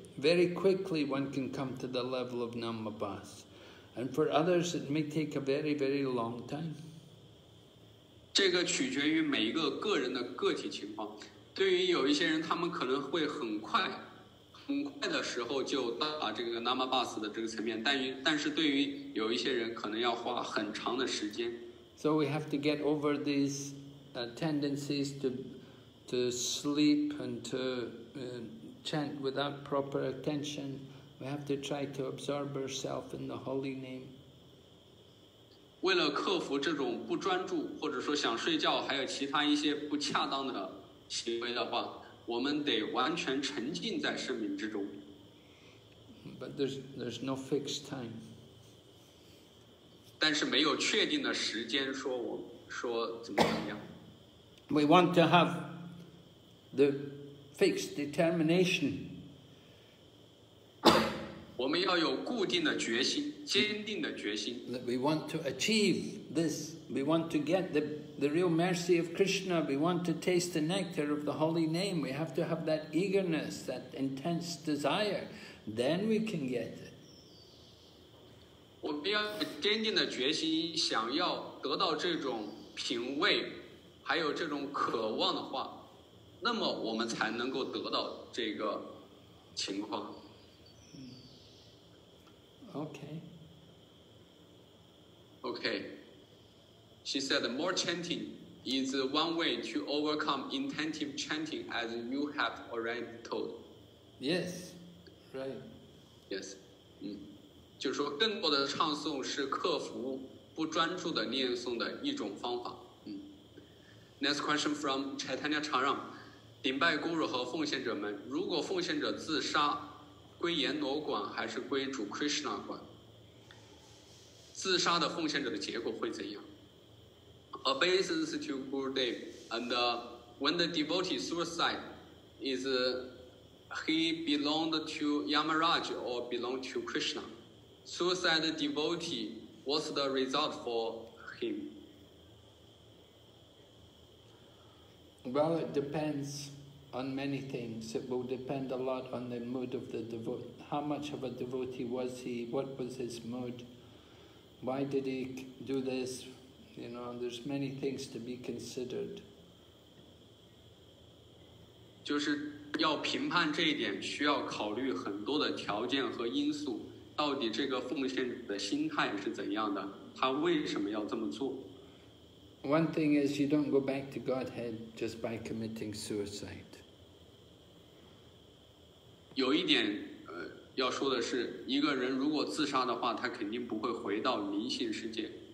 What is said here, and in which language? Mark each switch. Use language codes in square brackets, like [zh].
[en] Very quickly one can come to the level of Namabhas. And for others it may take a very, very long time. [zh] 这个取决于每一个个人的个体情况。对于有一些人他们可能会很快的时候就到达这个 Namabhas 的这个层面，但是对于有一些人可能要花很长的时间。 [en] So we have to get over these tendencies to sleep and to chant without proper attention. We have to try to absorb ourselves in the holy name. [zh] 为了克服这种不专注或者说想睡觉还有其他一些不恰当的行为的话。我们得完全沉浸在圣名之中。 [en] But there's no fixed time. [zh] 但是没有确定的时间说怎么样。 [en] We want to have the fixed determination. [zh] 我们要有固定的决心，坚定的决心。 [en] That we want to achieve this. We want to get the real mercy of Krishna, we want to taste the nectar of the holy name, we have to have that eagerness, that intense desire, then we can get it. [zh] 我们要坚定的决心想要得到这种品味还有这种渴望的话，那么我们才能够得到这个情况。 [en] Okay. She said, more chanting is one way to overcome intensive chanting as you have already told. Yes, right. Yes. [zh] 就是说更多的唱诵是克服不专注的念诵的一种方法。 [en] Next question from Chaitanya Charam. [zh] 顶拜孤乳和奉献者们，如果奉献者自杀，归阎罗管还是归主 Krishna 管？自杀的奉献者的结果会怎样。 [en] Obeisance to Gurudev and when the devotee suicide is he belonged to Yamaraj or belonged to Krishna? Suicide devotee, what's the result for him? Well, it depends on many things. It will depend a lot on the mood of the devotee. How much of a devotee was he? What was his mood? Why did he do this? You know, there's many things to be considered. [zh] 就是要评判这一点，需要考虑很多的条件和因素。到底这个奉献者的心态是怎样的？他为什么要这么做？ [en] One thing is you don't go back to Godhead just by committing suicide. [zh] 有一点要说的是，一个人如果自杀的话，他肯定不会回到灵性世界。